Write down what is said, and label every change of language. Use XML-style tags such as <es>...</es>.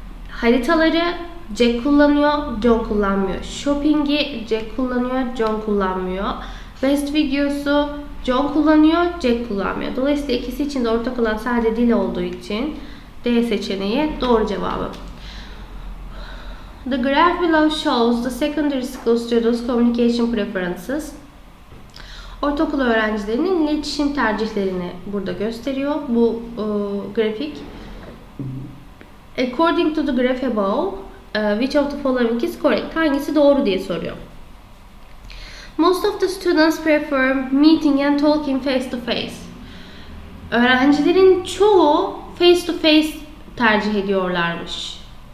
<tr>Haritaları Jack kullanıyor, John kullanmıyor. Shopping'i Jack kullanıyor, John kullanmıyor. Best videosu John kullanıyor, Jack kullanmıyor. Dolayısıyla ikisi için de ortak olan sadece dil olduğu için D seçeneği doğru cevabı.</tr> <en>The graph below shows the secondary school students' communication preferences.</en> <tr>Ortaokul öğrencilerinin iletişim tercihlerini burada gösteriyor bu grafik.</tr> <en>According to the graph above, which of the following is correct?</en> <tr>Hangisi doğru diye soruyor.</tr> <en>Most of the students prefer meeting and talking face to face.</en> <tr>Öğrencilerin çoğu</tr> <en>face to face</en> <tr>tercih ediyorlarmış.</tr>